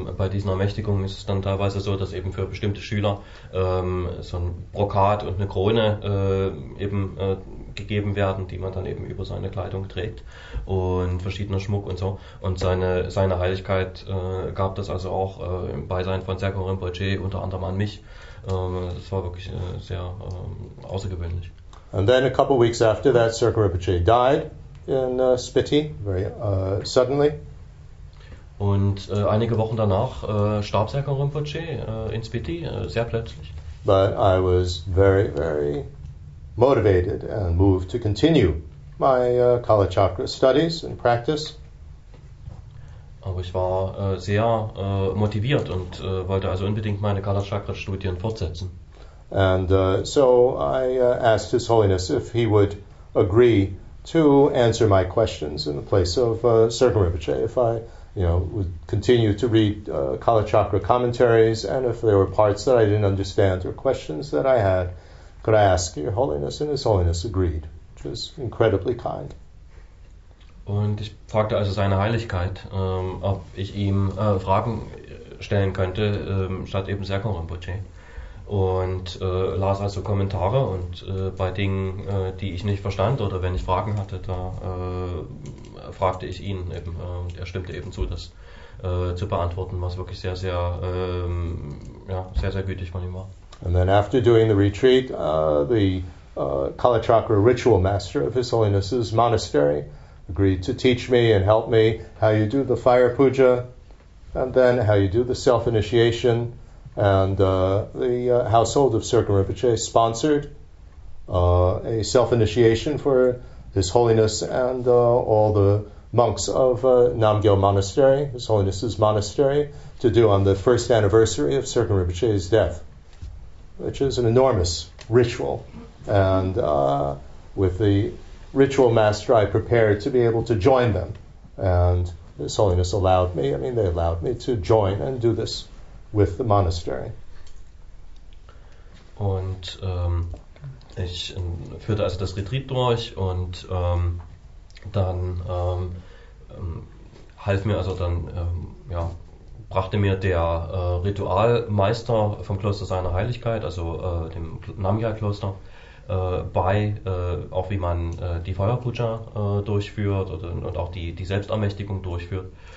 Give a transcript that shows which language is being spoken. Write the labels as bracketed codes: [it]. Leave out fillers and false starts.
[de] Bei diesen Ermächtigungen ist es dann teilweise so, dass eben für bestimmte Schüler so ein Brokat und eine Krone gegeben werden, die man dann eben über seine Kleidung trägt, und verschiedener Schmuck und so. Und seine Heiligkeit gab das also auch im Beisein von Sirpa Rinpoche unter anderem an mich. Das war wirklich sehr außergewöhnlich. [en] And then a couple weeks after that, Sirpa Rinpoche died in Spiti, very suddenly. [de] Und einige Wochen danach starb Sirpa Rinpoche in Spiti, sehr plötzlich. [en] But I was very, very motivated and moved to continue my Kalachakra studies and practice. [de] Aber ich war sehr motiviert und wollte also unbedingt meine Kalachakra-Studien fortsetzen. [en] And so I asked His Holiness if he would agree to answer my questions in the place of Sergen Rinpoche, if I, you know, would continue to read Kalachakra commentaries, and if there were parts that I didn't understand or questions that I had, could I ask Your Holiness? And His Holiness agreed, which was incredibly kind. [de] Und ich fragte also seine Heiligkeit, ob ich ihm Fragen stellen könnte, statt eben Sergen Rinpoche. Und las also Kommentare und bei Dingen, die ich nicht verstand oder wenn ich Fragen hatte, da fragte ich ihn eben. Und er stimmte eben zu, das zu beantworten, was wirklich sehr, sehr, ja, sehr, sehr gütig von ihm war. [en] And then after doing the retreat, the Kalachakra ritual master of His Holiness's monastery agreed to teach me and help me how you do the fire puja and then how you do the self-initiation. And the household of Sergen Rinpoche sponsored a self-initiation for His Holiness and all the monks of Namgyel Monastery, His Holiness's monastery, to do on the first anniversary of Sergen Rinpoche's death, which is an enormous ritual. And with the ritual master, I prepared to be able to join them. And His Holiness allowed me, I mean, they allowed me to join and do this with the monastery. [de] Und ich führte also das Retreat durch und dann half mir also dann ja, brachte mir der Ritualmeister vom Kloster seiner Heiligkeit, also dem Namgyal Kloster, bei, auch wie man die Feuerpuja durchführt oder, und auch die, die Selbstermächtigung durchführt.